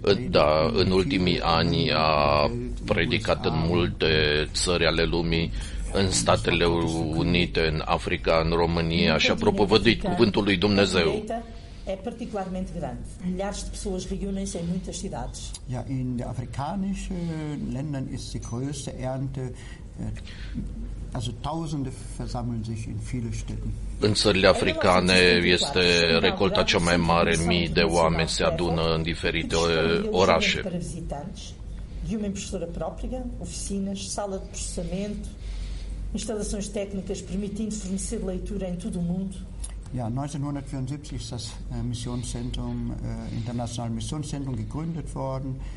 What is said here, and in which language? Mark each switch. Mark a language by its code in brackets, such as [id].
[ro] Da, în ultimii ani a predicat în multe țări ale lumii, în Statele Unite, în Africa, în România, și a propovăduit cuvântul lui Dumnezeu. [pt] E particularmente grande. Milhares de pessoas reúnem-se em muitas cidades. [de] Ja, in den afrikanischen Ländern ist die größte Ernte, also tausende versammeln sich in viele Städten. [ro] În țările africane este recolta cea mai mare, mii de oameni se adună în diferite orașe. [pt] De uma impressora própria, oficinas, sala de processamento, instalações técnicas permitindo fornecer leitura em todo o mundo. [de] Ja, 1974 ist das Missionszentrum, internationales Missionszentrum gegründet worden.